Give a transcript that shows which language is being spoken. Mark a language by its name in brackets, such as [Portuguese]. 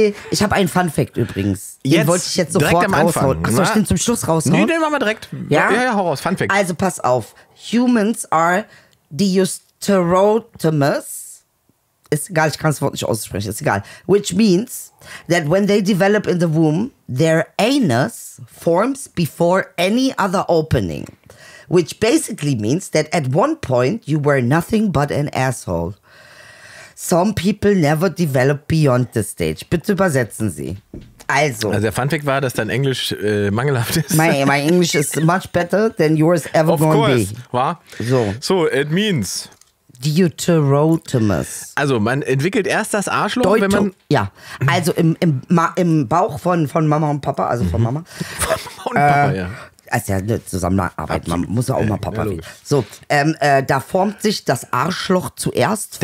[German] Ich habe einen Fun-Fact übrigens. Den jetzt wollte ich jetzt sofort raushauen. Soll ich den zum Schluss raushauen? Nee, den machen wir direkt. Ja? Ja, hau raus, Fun-Fact. Also pass auf. [English] Humans are deuterotomous. [German] Ist egal, ich kann das Wort nicht aussprechen. Ist egal. [English] Which means that when they develop in the womb, their anus forms before any other opening. Which basically means that at one point you were nothing but an asshole. Some people never develop beyond the stage. [German] Bitte übersetzen Sie. Also der Funfact war, dass dein Englisch mangelhaft ist. [English] My English is much better than yours ever going to be. Of course, wa? So, it means deuterotomous. [German] Also man entwickelt erst das Arschloch, wenn man... Ja, also im Bauch von Mama und Papa, also von Mama. Von Mama und Papa, ja. Also ja, eine Zusammenarbeit, man muss ja auch mal Papa reden. So, da formt sich das Arschloch zuerst